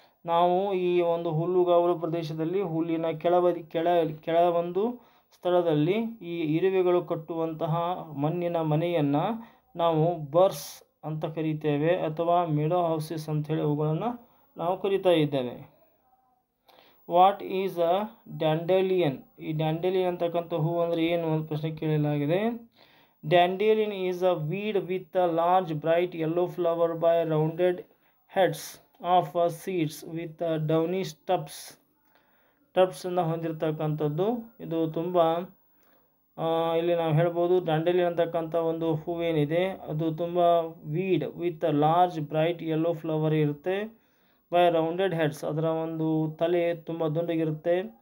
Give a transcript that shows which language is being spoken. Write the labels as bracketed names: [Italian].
[Kannada] ನಾವು ಈ ಒಂದು ಹುಲ್ಲುಗಾವಲು ಪ್ರದೇಶದಲ್ಲಿ ಹುಲ್ಲಿನ ಕೆಳ ಒಂದು ಸ್ಥಳದಲ್ಲಿ ಈ ಇರುವೆಗಳು ಕಟ್ಟುವಂತಹ ಮಣ್ಣಿನ ಮನೆಯನ್ನು ನಾವು ಬರ್ಸ್ ಅಂತ ಕರೀತೇವೆ, ಅಥವಾ ಮೀಡೋ ಹೌಸಸ್ ಅಂಥೇಳಿ ಅವುಗಳನ್ನು ನಾವು ಕರಿತಾ ಇದ್ದೇವೆ. [English] what is a dandelion, [Kannada] ಈ ಡ್ಯಾಂಡೇಲಿಯನ್ ಅಂತಕ್ಕಂಥ ಹೂ ಅಂದರೆ ಏನು ಅಂತ ಪ್ರಶ್ನೆ ಕೇಳಲಾಗಿದೆ. [English] Dandelion is a weed with a large bright yellow flower by rounded heads of seeds with downy stubs. [Kannada] ಟಬ್ಸ್ ಅನ್ನು ಹೊಂದಿರತಕ್ಕಂಥದ್ದು ಇದು ತುಂಬ, ಇಲ್ಲಿ ನಾವು ಹೇಳ್ಬೋದು ಡ್ಯಾಂಡೇಲಿಯನ್ ಅಂತಕ್ಕಂಥ ಒಂದು ಹೂವೇನಿದೆ ಅದು ತುಂಬ [English] weed with large bright yellow flower [Kannada] ಇರುತ್ತೆ, [English] by rounded heads [Kannada] ಅದರ ಒಂದು ತಲೆ ತುಂಬ ದುಂಡಗಿರುತ್ತೆ.